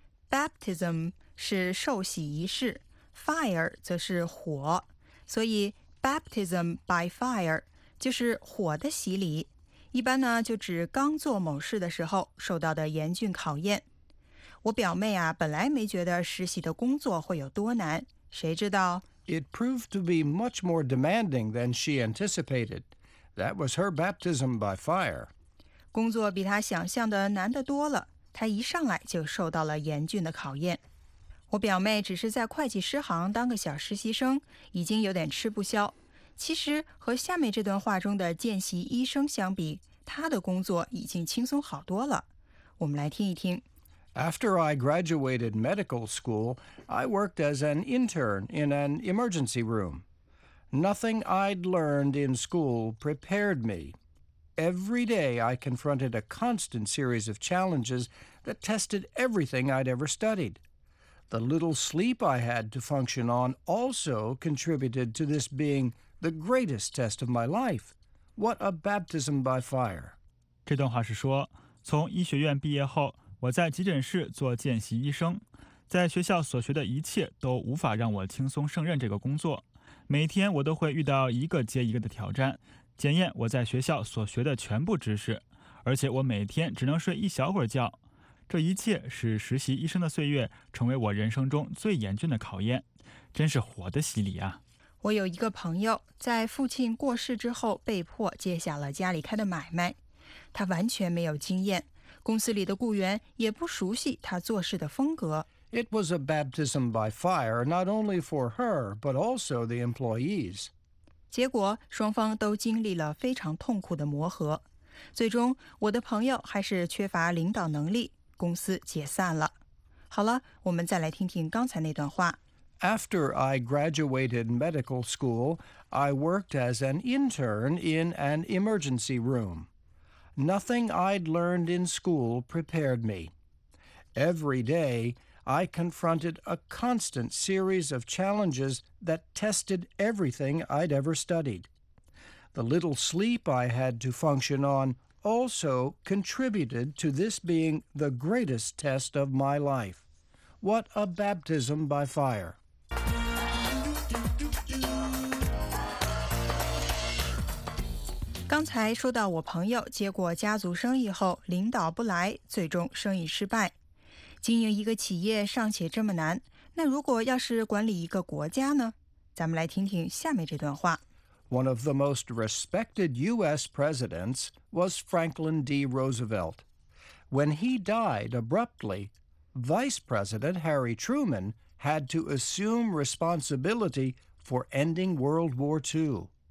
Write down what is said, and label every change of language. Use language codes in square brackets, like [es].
[zh] Baptism 是受洗仪式， fire 则是火，所以 baptism by fire 就是火的洗礼，一般呢就指刚做某事的时候受到的严峻考验。我表妹啊，本来没觉得实习的工作会有多难，谁知道 [en] It proved to be much more demanding than she anticipated. That was her baptism by fire. [zh] 工作比她想象的难得多了，她一上来就受到了严峻的考验。我表妹只是在会计师行当个小实习生，已经有点吃不消。其实和下面这段话中的见习医生相比，她的工作已经轻松好多了。我们来听一听。 [en] After I graduated medical school, I worked as an intern in an emergency room. Nothing I'd learned in school prepared me. Every day I confronted a constant series of challenges that tested everything I'd ever studied. The little sleep I had to function on also contributed to this being the greatest test of my life. What a baptism by fire. [zh] 这段话是说，从医学院毕业后，我在急诊室做见习医生，在学校所学的一切都无法让我轻松胜任这个工作。每天我都会遇到一个接一个的挑战，检验我在学校所学的全部知识，而且我每天只能睡一小会儿觉。这一切使实习医生的岁月成为我人生中最严峻的考验，真是活的洗礼啊。我有一个朋友在父亲过世之后被迫接下了家里开的买卖，他完全没有经验，公司里的雇员也不熟悉他做事的风格。 [en] It was a baptism by fire, not only for her, but also the employees. [zh] 结果双方都经历了非常痛苦的磨合，最终我的朋友还是缺乏领导能力，公司解散了。好了，我们再来听听刚才那段话。 [en] After I graduated medical school, I worked as an intern in an emergency room. Nothing I'd learned in school prepared me. Every day, I confronted a constant series of challenges that tested everything I'd ever studied. The little sleep I had to function on also contributed to this being the greatest test of my life. What a baptism by fire. [zh] 刚才说到我朋友接过家族生意后，领导不来，最终生意失败。经营一个企业尚且这么难，那如果要是管理一个国家呢？咱们来听听下面这段话。 [en] One of the most respected U.S. presidents was Franklin D. Roosevelt. When he died abruptly, Vice President Harry Truman had to assume responsibility for ending World War II.